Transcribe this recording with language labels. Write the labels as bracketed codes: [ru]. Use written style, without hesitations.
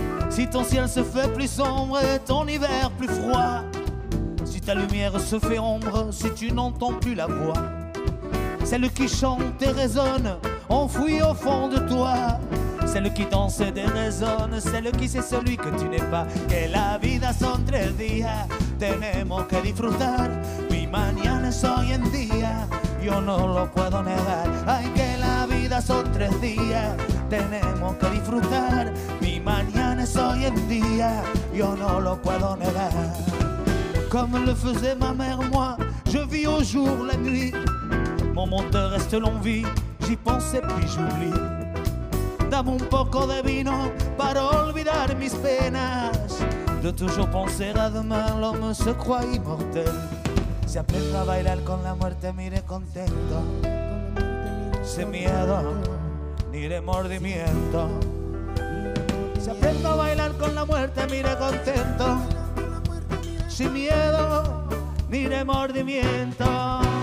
[fr] Si ton ciel se fait plus sombre et ton hiver plus froid, si ta lumière se fait ombre, si tu n'entends plus la voix, celle qui chante et résonne, enfouie au fond de toi, celle qui danse et déraisonne, celle qui sait celui que tu n'es pas. [es] Que la vida son tres días, tenemos que disfrutar. Mi mañana es hoy en día, yo no lo puedo negar. Ay, que la vida son tres días, tenemos que disfrutar. Mi mañana es hoy en día, yo no lo puedo negar. [fr] Comme le faisait ma mère, moi, je vis au jour la nuit. Mon monde reste l'envie, j'y pense et puis j'oublie. [es] Dame un poco de vino para olvidar mis penas. [fr] De toujours penser à demain, l'homme se croit immortel. [es] Si aprendo a bailar con la muerte, miré contento. Sin miedo, ni remordimiento. Si aprendo a bailar con la muerte, miré contento. Sin miedo, ni remordimiento.